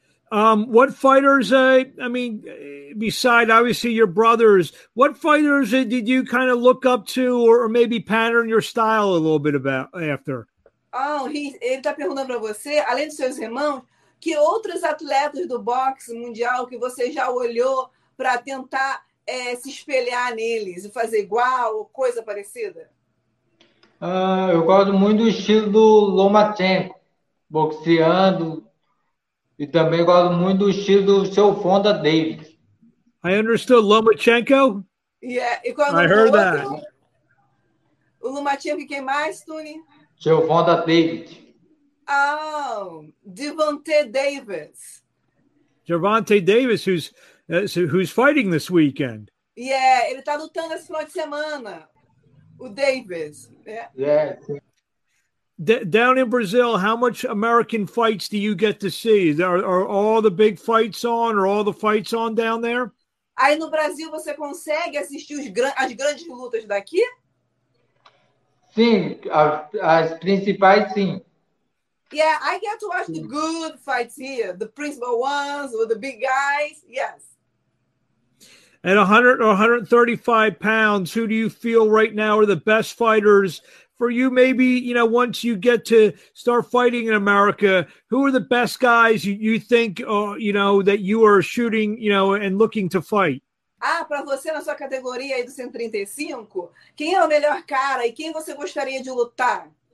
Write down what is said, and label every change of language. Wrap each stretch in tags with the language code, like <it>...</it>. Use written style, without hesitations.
<en>What fighters, beside obviously your brothers, what fighters did you kind of look up to or maybe pattern your style a little bit about after?</en> <pt>Oh, ele tá perguntando para você, além dos seus irmãos, que outros atletas do boxe mundial que você já olhou para tentar se espelhar neles e fazer igual ou coisa parecida? Eu gosto muito do estilo do Lomachenko, boxeando, e também gosto muito do estilo do seu Fonda Davis.</pt> <en>I understood Lomachenko?</en> <pt>Yeah, e quando</pt> <en>I heard outro, that.</en> <pt>O Lomachenko e quem mais, Tony? Seu Fonda Davis.</pt> <en>Oh, Devontae Davis. Javante Davis, who's fighting this weekend.</en> <pt>Yeah, ele tá lutando esse final de semana. O Davis.</pt> <en>Yeah. Down in Brazil, how much American fights do you get to see? Are all the big fights on, or all the fights on down there?</en> <pt>Aí no Brasil, você consegue assistir as grandes lutas daqui? Sim, as principais, sim.</pt> <en>Yeah, I get to watch the good fights here, the principal ones with the big guys. Yes. At 100 or 135 pounds, who do you feel right now are the best fighters for you? Maybe, you know, once you get to start fighting in America, who are the best guys you think, you know, that you are shooting, you know, and looking to fight?</en> <pt>Ah, para você na sua categoria aí do 135, quem é o melhor cara e quem você gostaria de lutar?</pt>